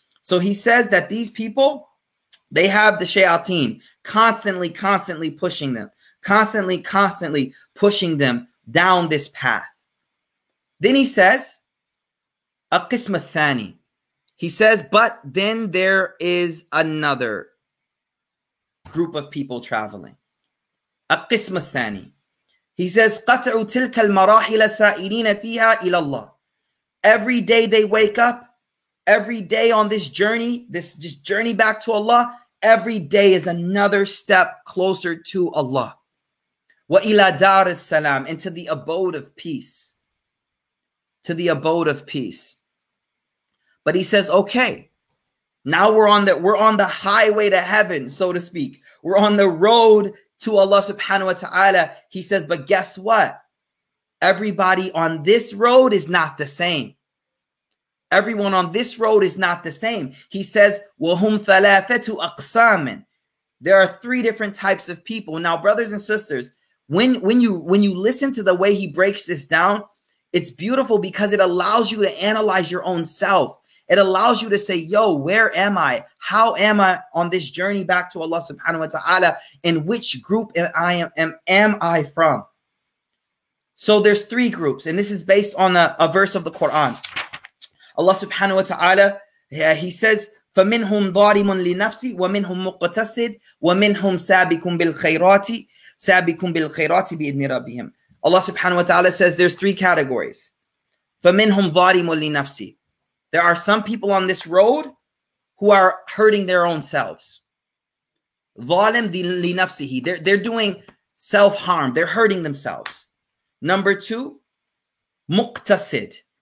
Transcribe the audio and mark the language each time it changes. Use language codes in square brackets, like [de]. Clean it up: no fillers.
[en] So he says that these people, they have the shayateen constantly, constantly pushing them, constantly, constantly pushing them down this path. Then he says, [ar] أَقِسْمَ الثَّانِي. [en] He says, but then there is another group of people traveling. [ar] أَقِسْمَ الثَّانِي. [en] He says, [ar] قَطْعُ تِلْكَ الْمَرَاحِلَ سَائِلِينَ فِيهَا إِلَى اللَّهِ. [en] Every day they wake up, every day on this journey, this journey back to Allah, every day is another step closer to Allah. [ar] وَإِلَى دَارِ السَّلَامِ. [en] Into the abode of peace. To the abode of peace. But he says, okay, now we're on the highway to heaven, so to speak. We're on the road to Allah subhanahu wa ta'ala. He says, but guess what? Everybody on this road is not the same. Everyone on this road is not the same. He says, [ar] وَهُمْ ثَلَاثَةُ أَقْسَامٍ. [en] There are three different types of people. Now, brothers and sisters, when you listen to the way he breaks this down, it's beautiful because it allows you to analyze your own self. It allows you to say, yo, where am I? How am I on this journey back to Allah subhanahu wa ta'ala? And which group am I from? So there's three groups. And this is based on a verse of the Quran. Allah subhanahu wa ta'ala, he says, [ar] فَمِنْهُمْ ظَالِمٌ لِنَفْسِ وَمِنْهُمْ مُقْتَصِدْ وَمِنْهُمْ سَابِكُمْ بِالْخَيْرَاتِ سَابِكُمْ بِالْخَيْرَاتِ بِإِذْنِ رَبِّهِمْ. [en] Allah subhanahu wa ta'ala says, there's three categories. [ar] فَمِنْهُمْ ظَالِمٌ لِنَفْسِ. [en] There are some people on this road who are hurting their own selves. [ar] ظَالِمْ لِنَفْسِهِ. [en] They're doing self-harm. They're hurting themselves. Number two, مُقْتَصِدْ.